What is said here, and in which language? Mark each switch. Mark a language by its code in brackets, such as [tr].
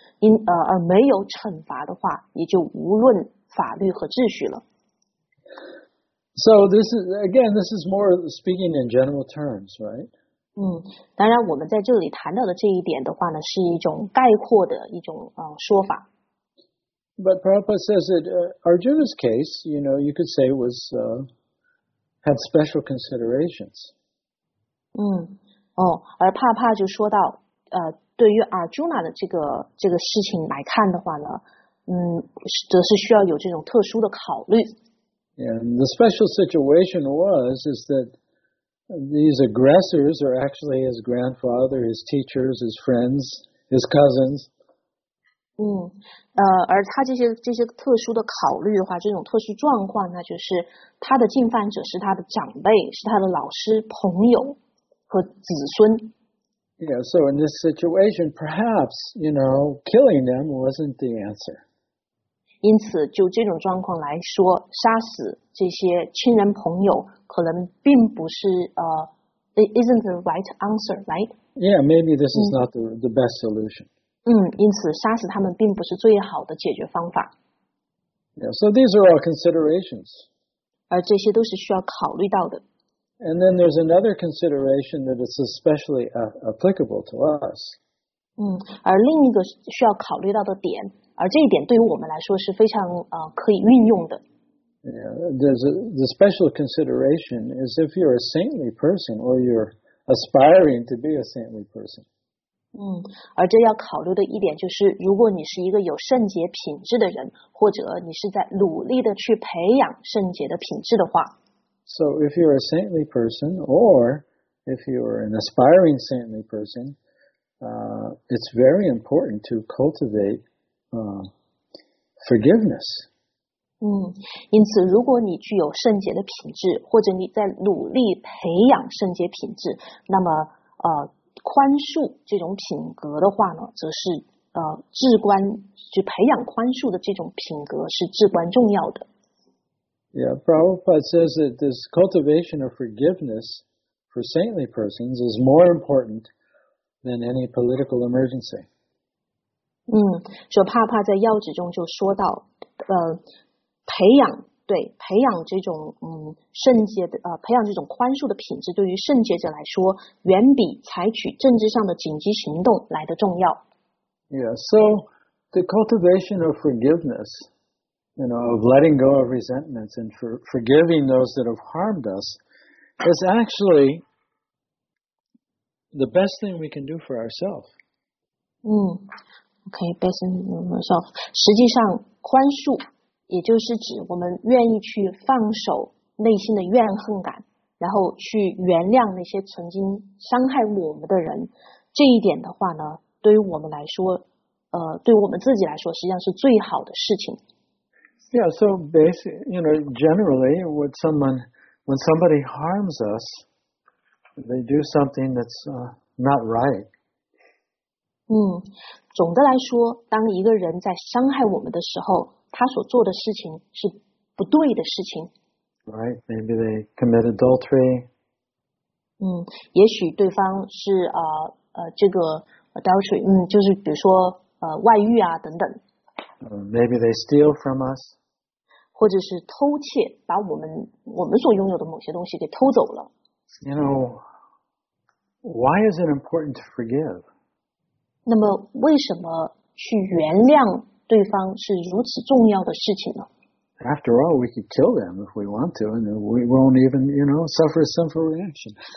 [zh] 而没有惩罚的话，也就无论法律和秩序了。 [en] So this is, again, this is more speaking in general terms, right? [zh] 当然，我们在这里谈到的这一点的话呢，是一种概括的一种说法。 [en] But Prabhupada says that Arjuna's case, you know, you could say was had special considerations. [zh] 而帕帕就说到，对于 Arjuna 的这个事情来看的话呢，则是需要有这种特殊的考虑。 [en] And the special situation was that these aggressors are actually his grandfather, his teachers, his friends, his cousins. [zh] 而他这些特殊的考虑的话，这种特殊状况，那就是他的进犯者是他的长辈，是他的老师、朋友和子孙。 [en] Yeah, so in this situation, perhaps, you know, killing them wasn't the answer. [zh] 因此，就这种状况来说，杀死这些亲人朋友可能并不是 [en] isn't the right answer, right? Yeah, maybe this is not the best solution. [zh] 因此杀死他们并不是最好的解决方法。 [en] Yeah, so these are all considerations. [zh] 而这些都是需要考虑到的。 [en] And then there's another consideration that is especially applicable to us. [zh] 而另一个需要考虑到的点，而这一点对于我们来说是非常可以运用的。 [en] Yeah, the special consideration is if you're a saintly person or you're aspiring to be a saintly person. [zh] 而这要考虑的一点就是，如果你是一个有圣洁品质的人，或者你是在努力的去培养圣洁的品质的话。 [en] So if you're a saintly person or if you're an aspiring saintly person, it's very important to cultivate forgiveness. [zh] 因此如果你具有圣洁的品质，或者你在努力培养圣洁品质，那么宽恕这种品格的话呢，则是至关，就培养宽恕的这种品格是至关重要的。 [en] Yeah, Prabhupada says that this cultivation of forgiveness for saintly persons is more important than any political emergency. [zh] 所以帕帕在要旨中就说到，培养这种圣洁的培养这种宽恕的品质，对于圣洁者来说，远比采取政治上的紧急行动来得重要。 [en] Yeah, so the cultivation of forgiveness. You know, of letting go of resentments and forgiving those that have harmed us is actually the best thing we can do for ourselves. Okay, best thing for ourselves. [zh] 实际上，宽恕也就是指我们愿意去放手内心的怨恨感，然后去原谅那些曾经伤害我们的人。这一点的话呢，对于我们来说，对我们自己来说，实际上是最好的事情。 [en] Yeah, so basically, you know, generally, when somebody harms us, they do something that's not right. [zh] 总的来说，当一个人在伤害我们的时候，他所做的事情是不对的事情。 [en] Right, maybe they commit adultery. [zh] 也许对方是这个 adultery, 就是比如说外遇啊等等。 [en] Maybe they steal from us. [zh] 或者是偷窃，把我们所拥有的某些东西给偷走了。 [en] You know, why is it important to forgive? [zh] 那么为什么去原谅对方是如此重要的事情呢？ [en] After all, we could kill them if we want to, and we won't even, you know, suffer a sinful reaction.